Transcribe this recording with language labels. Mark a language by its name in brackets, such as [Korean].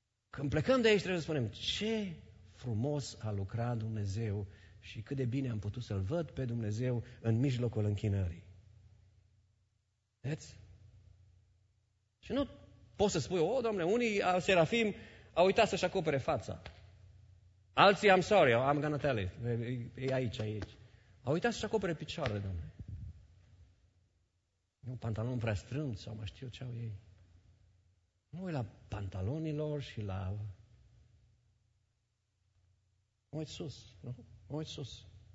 [Romanian] Când plecăm de aici, trebuie să spunem, ce frumos a lucrat Dumnezeu și cât de bine am putut să-L văd pe Dumnezeu în mijlocul închinării. Vedeți? Și nu poți să spui, o, domnule, unii serafim au uitat să-și acopere fața. Alții, [English] I'm sorry, I'm gonna tell it. [Romanian] E aici, aici. Au uitat să-și acopere picioarele, domnule. Nu, pantalon prea strâmt sau mai știu ce au ei. Nu, la pantalonilor și la... Uite sus, nu? Uite sus.